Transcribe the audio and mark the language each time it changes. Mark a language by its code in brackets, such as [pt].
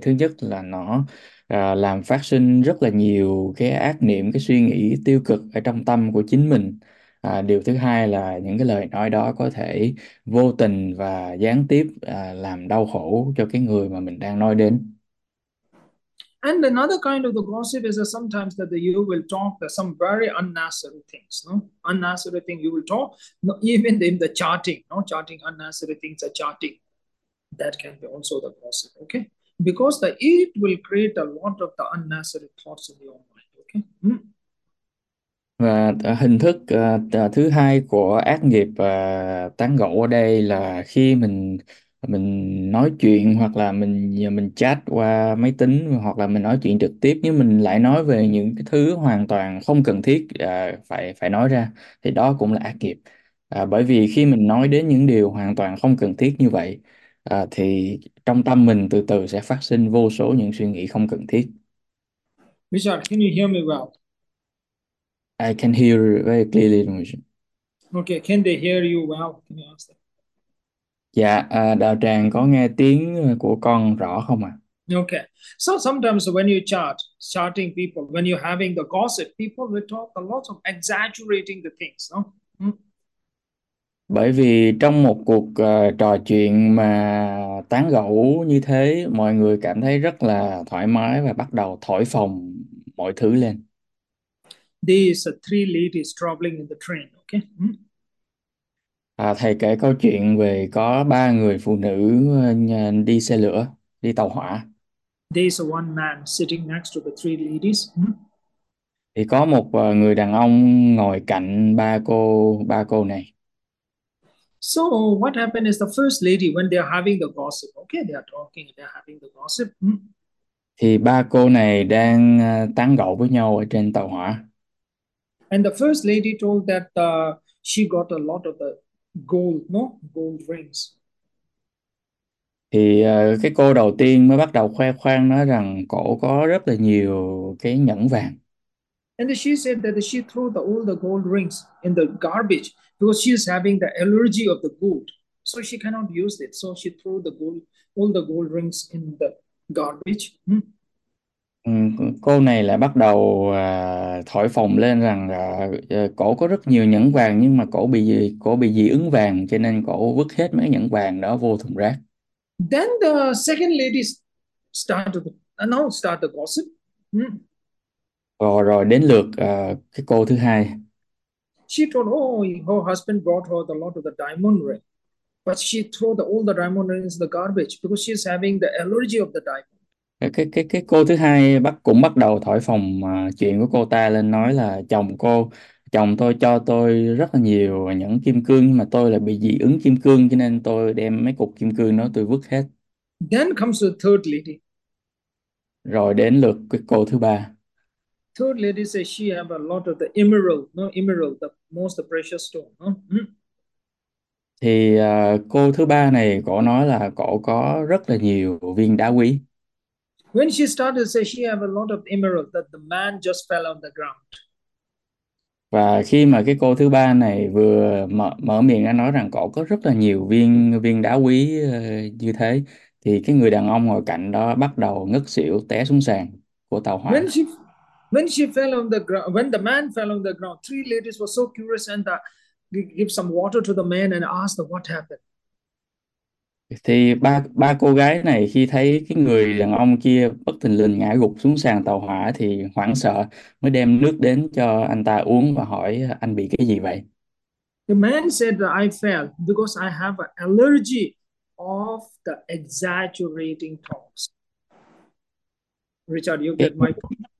[vi] Thứ nhất là nó làm phát sinh rất là nhiều cái ác niệm, cái suy nghĩ tiêu cực ở trong tâm của chính mình. Điều thứ hai là những cái lời nói đó có thể vô tình và gián tiếp làm đau khổ cho cái người mà mình đang nói đến. [en] And another kind of the gossip is that sometimes that you will talk that some very unnecessary things, no? Unnecessary thing you will talk, no, even in the chatting, no? Chatting unnecessary things are chatting. That can be also the gossip, okay? Because the it will create a lot of the unnecessary thoughts in your mind, okay? [vi] Và hình thức thứ hai của ác nghiệp tán gẫu ở đây là khi mình nói chuyện, hoặc là mình chat qua máy tính, hoặc là mình nói chuyện trực tiếp, nhưng mình lại nói về những cái thứ hoàn toàn không cần thiết phải phải nói ra, thì đó cũng là ác nghiệp. Bởi vì khi mình nói đến những điều hoàn toàn không cần thiết như vậy, thì trong tâm mình từ từ sẽ phát sinh vô số những suy nghĩ không cần thiết. [en] Richard, can you hear me well? I can hear very clearly. Okay, can they hear you well? Can you ask [vi] Dạ, Đào Tràng có nghe tiếng của con rõ không ạ? [en] that? Okay. So sometimes when you chatting people, when you're having the gossip, people will talk a lot of exaggerating the things, no? [vi] Bởi vì trong một cuộc trò chuyện mà tán gẫu như thế, mọi người cảm thấy rất là thoải mái và bắt đầu thổi phồng mọi thứ lên. [en] These three ladies traveling in the train, okay? [vi] Thầy kể câu chuyện về có ba người phụ nữ đi xe lửa, đi tàu hỏa. [en] There's one man sitting next to the three ladies. [vi] Thì có một người đàn ông ngồi cạnh ba cô này. [en] So what happened is the first lady when they are having the gossip, okay? They are talking, they are having the gossip. [vi] Thì ba cô này đang tán gẫu với nhau ở trên tàu hỏa. [en] And the first lady told that she got a lot of the gold, no? Gold rings. [vi] Thì cái cô đầu tiên mới bắt đầu khoe khoang, nói rằng cổ có rất là nhiều cái nhẫn vàng. [en] And she said that she threw all the gold rings in the garbage because she's having the allergy of the gold. So she cannot use it. So she threw all the gold rings in the garbage. [vi] Cô này lại bắt đầu thổi phồng lên rằng cổ có rất nhiều nhẫn vàng, nhưng mà cổ bị dị ứng vàng, cho nên cổ vứt hết mấy nhẫn vàng đó vô thùng rác. [en] Then the second lady start the gossip. [vi] Rồi đến lượt cái cô thứ hai. [en] She told, oh, her husband brought her a lot of the diamond ring. But she throw the all the diamond rings in the garbage because she's having the allergy of the diamond. [vi] Cái cô thứ hai bắt đầu thổi phồng chuyện của cô ta lên, nói là chồng tôi cho tôi rất là nhiều những kim cương nhưng mà tôi lại bị dị ứng kim cương, cho nên tôi đem mấy cục kim cương đó tôi vứt hết. [en] Then comes the third lady. [vi] Rồi đến lượt cái cô thứ ba. [en] Third lady says she have a lot of the emerald, no emerald, the most precious stone. [vi] Thì cô thứ ba này cổ nói là cổ có rất là nhiều viên đá quý. [en] When she started to say she have a lot of emerald, that the man just fell on the ground. [vi] Và khi mà cái cô thứ ba này vừa mở miệng ra nói rằng cổ có rất là nhiều viên viên đá quý như thế, thì cái người đàn ông ngồi cạnh đó bắt đầu ngất xỉu té xuống sàn của tàu [en] When [vi] hỏa. [en] she fell on the ground, when the man fell on the ground, three ladies were so curious and give some water to the man and ask them what happened. [vi] Thì ba cô gái này khi thấy cái người đàn ông kia bất thình lình ngã gục xuống sàn tàu hỏa thì hoảng sợ mới đem nước đến cho anh ta uống và hỏi anh bị cái gì vậy. [en] The man said that I fell because I have an allergy of the exaggerating talks. Richard, you get my point.